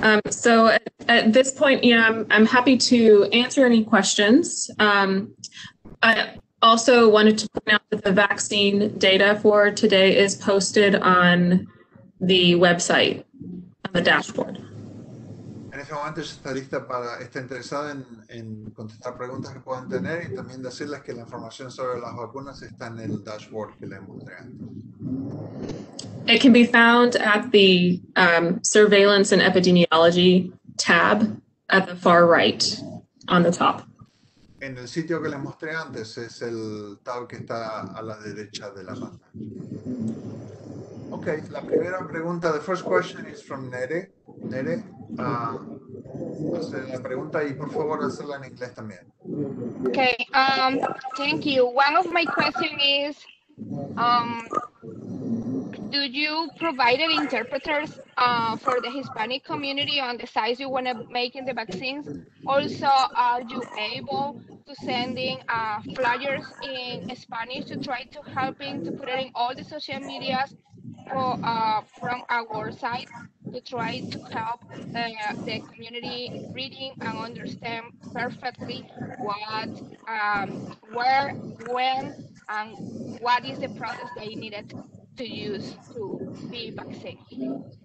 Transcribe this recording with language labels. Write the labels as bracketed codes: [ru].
[en] So at this point, you know, I'm happy to answer any questions. I also wanted to point out that the vaccine data for today is posted on the website, on the dashboard. [es] En este momento ya está lista para, está interesada en contestar preguntas que puedan tener y también decirles que la información sobre las vacunas está en el dashboard que les mostré antes. [en] It can be found at the Surveillance and Epidemiology tab at the far right on the top. [es] En el sitio que les mostré antes es el tab que está a la derecha de la pantalla. [en] Okay, [es] la primera pregunta, [en] the first question is from Nere. [es] Nere, hacer la pregunta y por favor hacerla en inglés también. [en] Okay, thank you. One of my questions is, do you provide interpreters for the Hispanic community on the size you want to make in the vaccines? Also, are you able to send in flyers in Spanish to try to help in to put it in all the social medias for, from our side to try to help the community reading and understand perfectly what, where, when, and what is the process they needed to use to be vaccinated?